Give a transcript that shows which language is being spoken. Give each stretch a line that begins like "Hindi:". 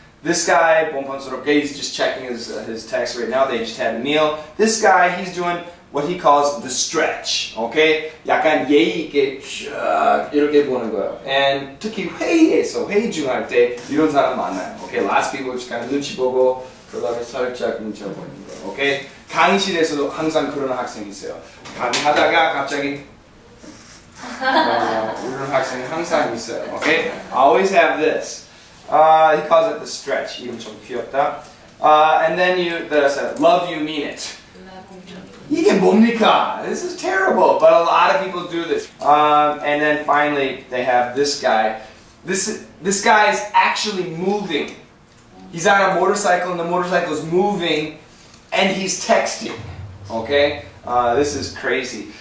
English: This guy, Bonponsoroke, he's just checking his text right now. They just had a meal. This guy, he's doing what he calls the stretch.
Korean: Okay, 약간 예의 있게 쭉 이렇게 보는 거예요. And 특히 회의에서 회의 중할 때 이런 사람 많아요.
English: Okay, lots of people just kind of
Korean: 눈치 보고 그러다가 살짝 눈치 보는 거예요. Okay, 강의실에서도 항상 그런 학생이 있어요. 강의하다가 갑자기 이런 학생이 항상 있어요.
English: Okay, I always have this. He calls it the stretch.
Korean: 이름 좀 귀엽다.
English: And then you, that I said, love you mean it.
Korean: 이게 뭡니까?
English: This is terrible, but a lot of people do this. And then finally, they have this guy. This guy is actually moving. He's on a motorcycle, and the motorcycle is moving, and he's texting. Okay? This is crazy.